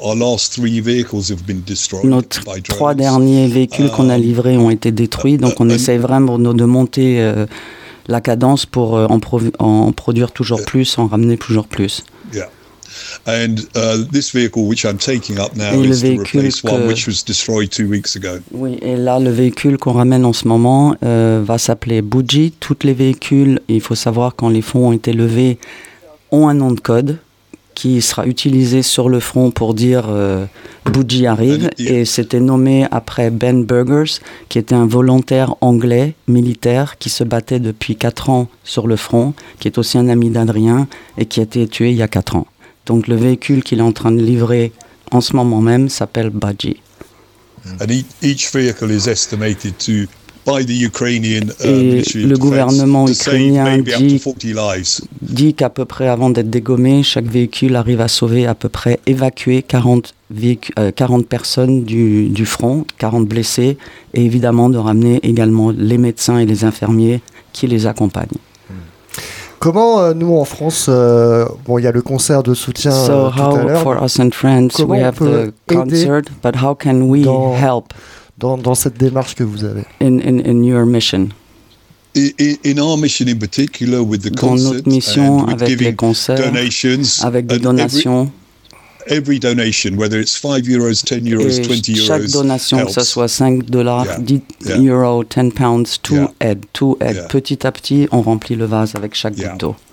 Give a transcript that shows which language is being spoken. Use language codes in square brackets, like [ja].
[en] Our last three vehicles have been destroyed by drones. [fr] Nos trois derniers véhicules qu'on a livrés ont été détruits, donc on essaye vraiment de monter la cadence pour en produire toujours plus, en ramener toujours plus. Yeah. [en] And this vehicle which I'm taking up now is to replace one which was destroyed 2 weeks ago. [fr] Oui, et là le véhicule qu'on ramène en ce moment va s'appeler Bougie. Toutes les véhicules, il faut savoir quand les fonds ont été levés, ont un nom de code qui sera utilisé sur le front pour dire Bougie arrive. Et c'était nommé après Ben Burgers, qui était un volontaire anglais militaire qui se battait depuis 4 ans sur le front, qui est aussi un ami d'Adrien et qui a été tué il y a 4 ans. Donc le véhicule qu'il est en train de livrer en ce moment même s'appelle Budgie. [en] And each vehicle is estimated to by the Ukrainian [fr] et le gouvernement ukrainien dit qu'à peu près avant d'être dégommé, chaque véhicule arrive à sauver à peu près évacuer 40 personnes du front, 40 blessés et évidemment de ramener également les médecins et les infirmiers qui les accompagnent. Comment nous en France, il y a le concert de soutien tout à l'heure. [en] So how for us in France we have the concert, but how can we help [fr] dans cette démarche que vous avez? [en] In your mission. In our mission in particular with the concert. [fr] Dans notre mission avec les concerts, avec des donations. [en] Every donation, whether it's 5 euros, 10 euros, 20 euros, [fr] chaque donation, [en] helps. [fr] Que ce soit 5 dollars, 10 euros, 10 pounds, tout aide. Yeah. Petit à petit, on remplit le vase avec chaque goutte d'eau.